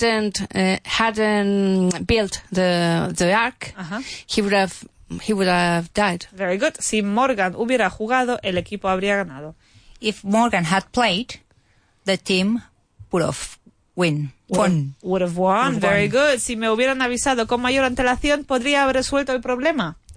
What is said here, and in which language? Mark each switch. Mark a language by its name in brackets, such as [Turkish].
[English] If Noah hadn't built the ark, he would have died. Very good. [Spanish] Si Morgan hubiera jugado, el equipo habría ganado. [English] If Morgan had played, the team would have won. Very good. [Spanish] Si me hubieran avisado con mayor antelación, podría haber resuelto el problema.